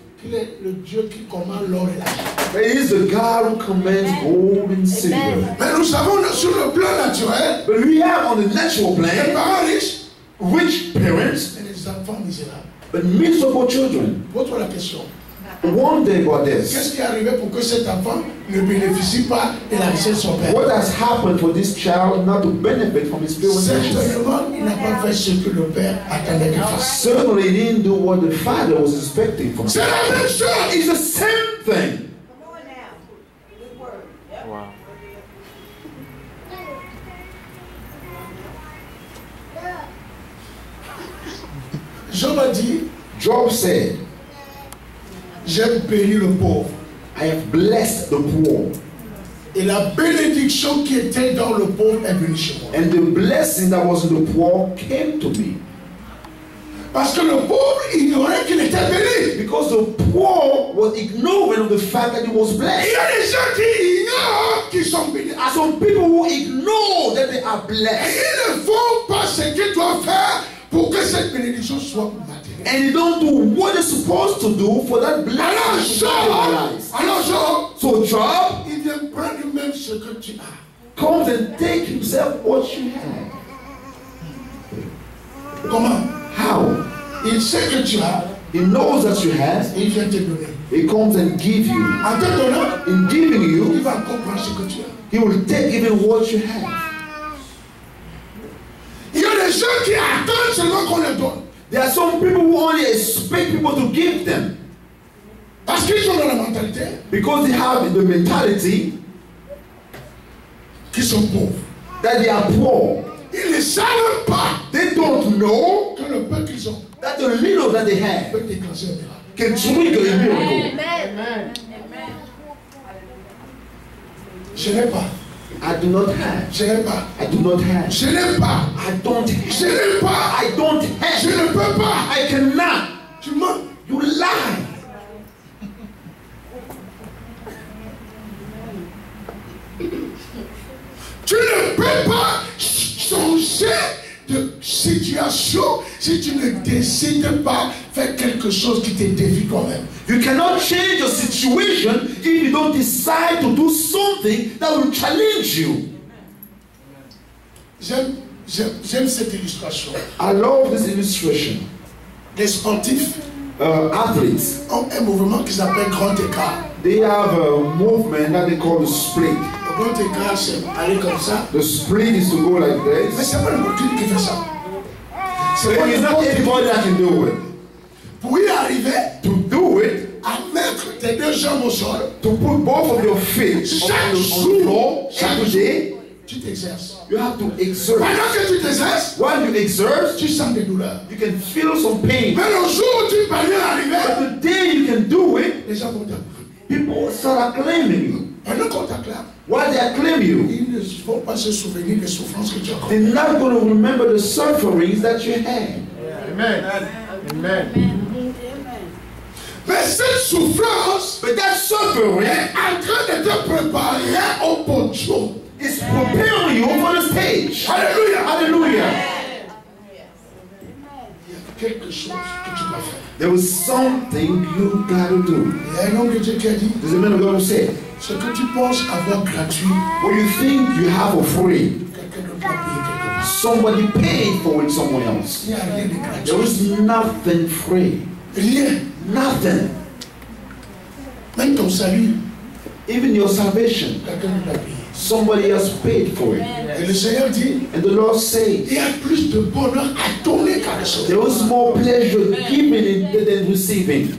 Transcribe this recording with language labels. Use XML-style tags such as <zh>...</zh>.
<fr>Il est le Dieu qui commande l'or et l'argent.</fr> <en>He is the God who commands gold and silver.</en> <fr>Mais nous savons sur le plan naturel.</fr> <en>But we have on the natural plane.</en> <fr>Les parents riches.</fr> <en>Rich parents.</en> <fr>Et les enfants misérables.</fr> <en>But miserable children.</en> <fr>Votre la question.</fr> <en>wondering about this.</en> <fr>Qu'est-ce qui est arrivé pour que cet enfant ne bénéficie pas de la richesse de son père?</fr> <en>What has happened for this child not to benefit from his parents?</en> <fr>Certainement, il n'a pas fait ce que le père attendait qu'il fasse.</fr> <en>Certainly, he didn't do what the father was expecting from him.</en> <fr>C'est la même chose.</fr> <en>It's the same thing.</en> <fr>Job a dit,</fr> <en>Job said,</en> <fr>j'aime bénir le pauvre.</fr> <en>I have blessed the poor.</en> <fr>Et la bénédiction qui était dans le pauvre est venue chez moi.</fr> <en>And the blessing that was in the poor came to me.</en> <fr>Parce que le pauvre ignorait qu'il était béni.</fr> <en>Because the poor was ignorant of the fact that he was blessed.</en> <fr>Il y a des gens qui ignorent qu'ils sont bénis.</fr> <en>And some people who ignore that they are blessed.</en> <fr>Et ils ne font pas ce qu'ils doivent faire pour que cette bénédiction soit matérielle.</fr> <en>And you don't do what you're supposed to do for that blessing.</en> <fr>Alors, Job,</fr> <en>so Job,</en> <fr>il vient prendre même ce que tu as.</fr> <en>Comes and take himself what you have.</en> <fr>Comment?</fr> <en>How?</en> <fr>Il sait que tu as.</fr> <en>He knows that you have.</en> <fr>Il vient te donner.</fr> <en>He comes and gives you.</en> <fr>En te donnant,</fr> <en>in giving you,</en> <fr>il va comprendre ce que tu as.</fr> <en>He will take even what you have.</en> <fr>Il y a des gens qui attendent seulement qu'on les donne.</fr> <en>There are some people who only expect people to give them.</en> <fr>Parce qu'ils ont la mentalité.</fr> <en>Because they have the mentality.</en> <fr>Qu'ils sont pauvres.</fr> <en>That they are poor.</en> <fr>Ils ne savent pas.</fr> <en>They don't know.</en> <fr>Que le peu qu'ils ont.</fr> <en>That the little that they have.</en> <fr>Peut déclencher un miracle.</fr> <en>Can trigger a miracle. Amen.</en> <fr>Je n'ai pas.</fr> <en>I do not have.</en> <fr>Je n'ai pas.</fr> <en>I do not have.</en> <fr>Je n'ai pas.</fr> <en>I don't have.</en> <fr>Je n'ai pas.</fr> <en>I don't have.</en> <fr>Je ne peux pas.</fr> <en>I cannot.</en> <fr>Tu mens.</fr> <en>You lie.</en> <fr>Tu ne peux pas changer de situation si tu ne décides pas faire quelque chose qui te défie toi-même.</fr> <en>You cannot change your situation if you don't decide to do something that will challenge you.</en> <fr>J'aime cette illustration.</fr> <en>I love this illustration.</en> <fr>Les sportifs,</fr> <en>athletes,</en> <fr>ont un mouvement qu'ils appellent grand écart.</fr> <en>They have a movement that they call the split.</en> <fr>Le grand écart, c'est aller comme ça.</fr> <en>The split is to go like this.</en> <fr>Mais c'est pas le sportif qui fait ça.</fr> <en>It's not anybody that can do it.</en> <fr>Pour y arriver,</fr> <en>to do it,</en> <fr>à mettre tes deux jambes au sol,</fr> <en>to put both of your feet</en> <fr>chaque jour, tu t'exerces.</fr> <en>You have to exert.</en> <fr>Pendant que tu t'exerces,</fr> <en>while you exert,</en> <fr>tu sens des douleurs.</fr> <en>You can feel some pain.</en> <fr>Mais le jour où tu vas y arriver,</fr> <en>but the day you can do it,</en> <fr>les gens vont te acclamer.</fr> <en>People start acclaiming you.</en> <fr>Pendant qu'on t'acclame,</fr> <en>while they acclaim you,</en> <fr>ils ne vont pas se souvenir des souffrances que tu as.</fr> <en>They're not going to remember the sufferings that you had. Amen. Amen.</en> <fr>Mais cette souffrance,</fr> <en>but that suffering,</en> <fr>est en train de te préparer au poncho.</fr> <en>It's preparing you for the stage. Hallelujah. Hallelujah.</en> <fr>Il y a quelque chose que tu dois faire.</fr> <en>There was something you gotta do.</en> <fr>Il y a un homme que Dieu a dit.</fr> <en>There's a man of God who said,</en> <fr>ce que tu penses avoir gratuit,</fr> <en>what you think you have for free,</en> <fr>quelqu'un doit payer quelque chose.</fr> <en>Somebody paid for it someone else.</en> <fr>Il y a rien de gratuit.</fr> <en>There was nothing free.</en> <fr>Rien.</fr> <en>Nothing.</en> <fr>Même ton salut.</fr> <en>Even your salvation. Somebody has paid for it.</en> <fr>Et le Seigneur dit,</fr> <en>and the Lord said,</en> <fr>il y a plus de bonheur à donner qu'à recevoir.</fr> <en>There was more pleasure giving it than receiving.</en>